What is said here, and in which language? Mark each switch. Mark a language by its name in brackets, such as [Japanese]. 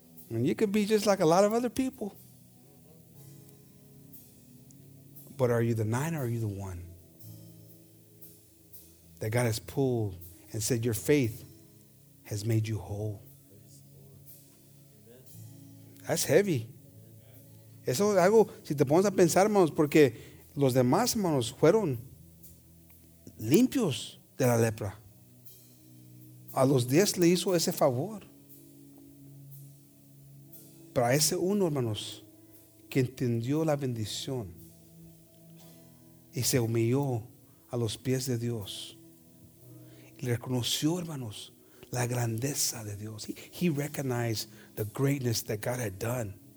[English] And you can be just like a lot of other people. But are you the 9 or are you the 1? That God has pulled and said your faith has made you whole. That's heavy. [Spanish] Eso es algo, si te pones a pensar, hermanos, porque los demás, hermanos, fueron limpios de la lepra. A los 10 le hizo ese favor. Pero a ese 1, hermanos, que entendió la bendición y se humilló a los pies de Dios, y le reconoció, hermanos, la grandeza de Dios. [English] He recognized the greatness that God had done.